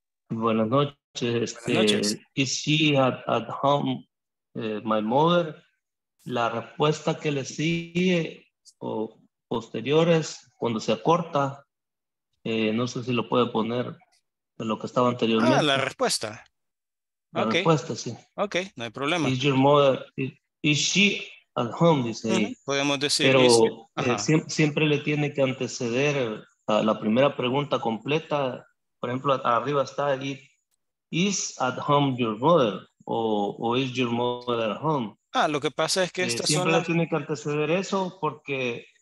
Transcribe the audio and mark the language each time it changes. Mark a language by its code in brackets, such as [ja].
[es] Buenas noches. [en] Is she at home, my mother? [es] La respuesta que le sigue o posterior es cuando se acorta. No sé si lo puede poner de lo que estaba anteriormente. La respuesta. La okay. respuesta, sí. Ok, no hay problema. [en] Is your mother, is she at home, [es] dice ahí. Podemos decir. Pero siempre le tiene que anteceder a la primera pregunta completa. Por ejemplo, arriba está ahí, [en] is at home your mother? O is your mother at home? [es] Lo que pasa es que esta siempre zona... le tiene que anteceder eso porque...